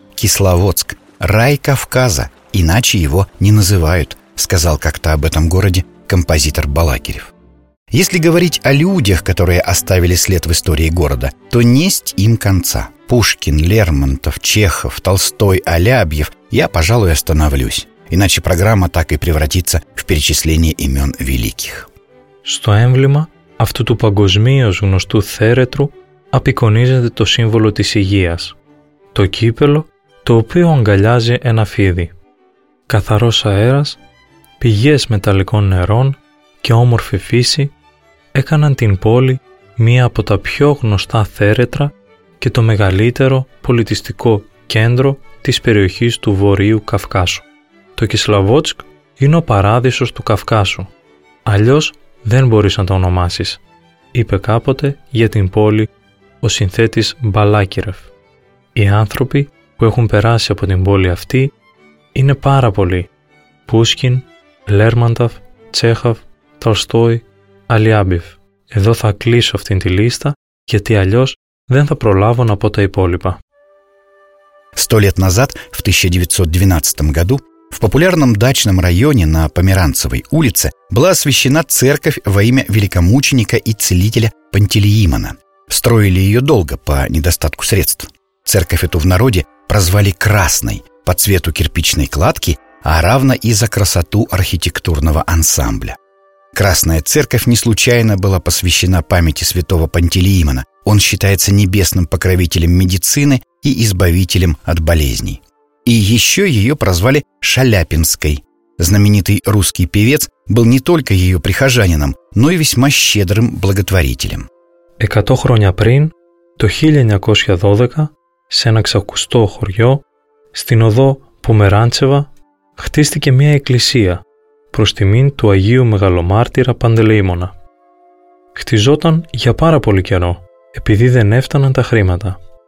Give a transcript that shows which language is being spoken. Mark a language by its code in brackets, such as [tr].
[ru] Кисловодск, рай Кавказа, иначе его не называют, сказал как-то об этом городе композитор Балакирев. Если говорить о людях, которые оставили след в истории города, то несть им конца. Пушкин, Лермонтов, Чехов, Толстой, Алябьев, я, пожалуй, остановлюсь. Иначе программа так и превратится в перечисление имен великих. [el] Στο έμβλημα αυτού του παγκοσμίως γνωστού θέρετρου απεικονίζεται το σύμβολο της υγείας, το κύπελο το οποίο αγκαλιάζει ένα φίδι. Καθαρός αέρας, πηγές μεταλλικών νερών και όμορφη φύση έκαναν την πόλη μία από τα πιο γνωστά θέρετρα και το μεγαλύτερο πολιτιστικό κέντρο της περιοχής του Βορείου Καυκάσου. Το Κισλαβότσκ είναι ο παράδεισος του Καυκάσου, αλλιώς δεν μπορείς να το ονομάσεις, είπε κάποτε για την πόλη ο συνθέτης Μπαλάκιρεφ. Οι άνθρωποι που έχουν περάσει από την πόλη αυτή είναι πάρα πολλοί. Πούσκιν, Λέρμανταφ, Τσέχαφ, Τολστόι, Αλιάμπιφ. Εδώ θα κλείσω αυτήν τη λίστα, γιατί αλλιώς δεν θα προλάβω να πω τα υπόλοιπα. [ru] 100 лет назад, в 1912 году, в популярном дачном районе на Померанцевой улице была освящена церковь во имя великомученика и целителя Пантелеимона. Строили ее долго, по недостатку средств. Церковь эту в народе прозвали «красной» по цвету кирпичной кладки, а равно и за красоту архитектурного ансамбля. Красная церковь не случайно была посвящена памяти святого Пантелеимона. Он считается небесным покровителем медицины и избавителем от болезней. И еще ее прозвали Шаляпинской. Знаменитый русский певец был не только ее прихожанином, но и весьма щедрым благотворителем. [el] 100 хроня прин, то 1912, σε ένα ξακουστό χωριό, στην οδό Померанцева, χτίστηκε μια εκκλησία προς τιμήν του Αγίου Μεγαλομάρτυρα Παντελεήμονα. Χτιζόταν για πάρα πολύ καιρό, επειδή δεν έφταναν τα χρήματα.